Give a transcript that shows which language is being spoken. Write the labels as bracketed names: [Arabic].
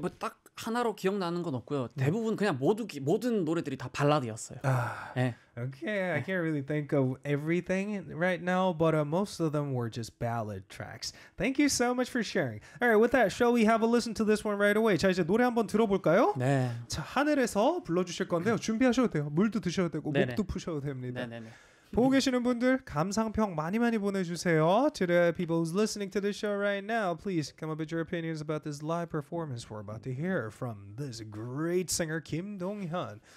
[Korean] 뭐 하나로 기억나는 건 없고요. 대부분 그냥 모든 노래들이 다 발라드였어요. 네. [English] Okay, I can't really think of everything right now, but most of them were just ballad tracks. Thank you so much for sharing. All right, with that, shall we have a listen to this one right away? [Korean] 자, 이제 노래 한번 들어볼까요? 네. 자, 하늘에서 불러주실 건데요. 준비하셔도 돼요. 물도 드셔도 되고 네네. 목도 푸셔도 됩니다. 네네네. 보고 계시는 분들 감상평 많이 많이 보내주세요. [English] To the people who's listening to the show right now, please come up with your opinions about this live performance we're about to hear from this great singer Kim Dong Hyun.